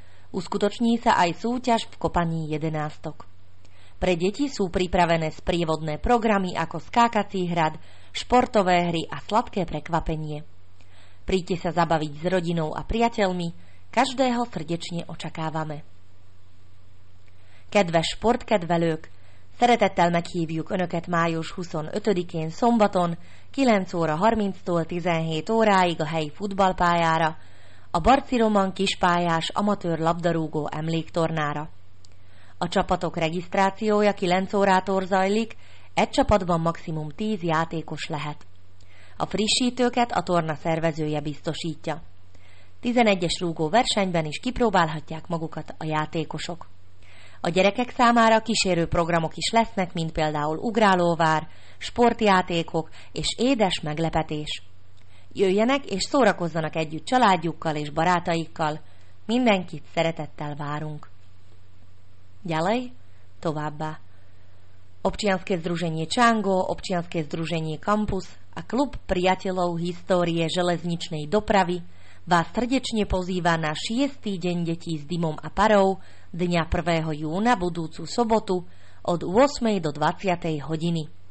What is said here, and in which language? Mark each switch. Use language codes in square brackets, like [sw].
[sk] Uskutoční sa aj súťaž v kopaní jedenástok. Pre deti sú pripravené sprievodné programy ako skákací hrad, športové hry a sladké prekvapenie. Príďte sa zabaviť s rodinou a priateľmi, každého srdečne očakávame. [hu] Kedves sportkedvelők, szeretettel meghívjuk Önöket május 25-én szombaton 9 óra 30-tól 17 óráig a helyi futballpályára, a Barci Roman kispályás amatőr labdarúgó emléktornára. A csapatok regisztrációja 9 órától zajlik, egy csapatban maximum 10 játékos lehet. A frissítőket a torna szervezője biztosítja. 11-es rúgó versenyben is kipróbálhatják magukat a játékosok. A gyerekek számára kísérő programok is lesznek, mint például ugrálóvár, sportjátékok és édes meglepetés. Jöjjenek és szórakozzanak együtt családjukkal és barátaikkal. Mindenkit szeretettel várunk. [sk] Ďalej, [hu] továbbá. [sk] Občianske združenie Čango, občianske združenie Campus a klub priateľov histórie železničnej dopravy vás srdečne pozýva na 6. deň detí s dymom a parou dňa 1. júna budúcu sobotu od 8. do 20. hodiny.